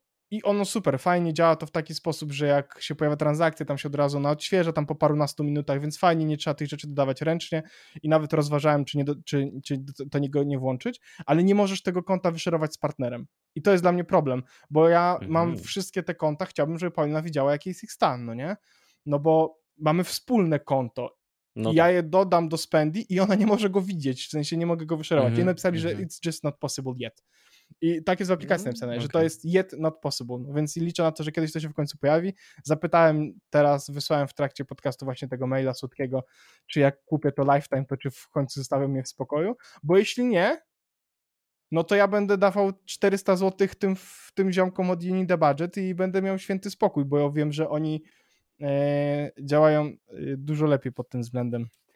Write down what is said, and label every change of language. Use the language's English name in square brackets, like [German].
[Polish] I ono super, fajnie działa to w taki sposób, że jak się pojawia transakcja, tam się od razu ona odświeża tam po parunastu minutach, więc fajnie, nie trzeba tych rzeczy dodawać ręcznie i nawet rozważałem, czy to niego nie włączyć, ale nie możesz tego konta wyszerować z partnerem. I to jest dla mnie problem, bo ja mam wszystkie te konta, chciałbym, żeby Paulina widziała, jaki jest ich stan, no nie? No bo mamy wspólne konto. No ja je dodam do Spendy i ona nie może go widzieć, w sensie nie mogę go wyszerować. I napisali, że [English] it's just not possible yet. [Polish] I tak jest w aplikacji napisane, że to jest [English] yet not possible, [Polish] więc liczę na to, że kiedyś to się w końcu pojawi. Zapytałem teraz, wysłałem w trakcie podcastu właśnie tego maila słodkiego, czy jak kupię to lifetime, to czy w końcu zostawią mnie w spokoju, bo jeśli nie, no to ja będę dawał 400 zł tym ziomkom od Unity the Budget i będę miał święty spokój, bo ja wiem, że oni działają dużo lepiej pod tym względem.